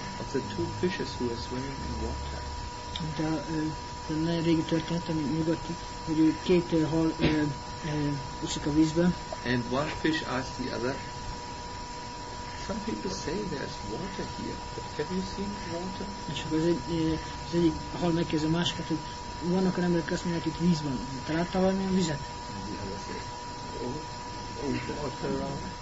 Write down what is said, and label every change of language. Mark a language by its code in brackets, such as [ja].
[en] Of the two fishes who are swimming in water. [hu] De a nagyon régi történet, ami nyugati, hogy két hal úszik a vízben. [en] And one fish asked the other, some people say there's water here, but have you seen water? [hu] És akkor az egyik hal megkérdezi a másikat, hogy vannak olyan emberek, azt mondják, itt víz van. Te láttál valamilyen vizet? [en] And the other said, oh, water around.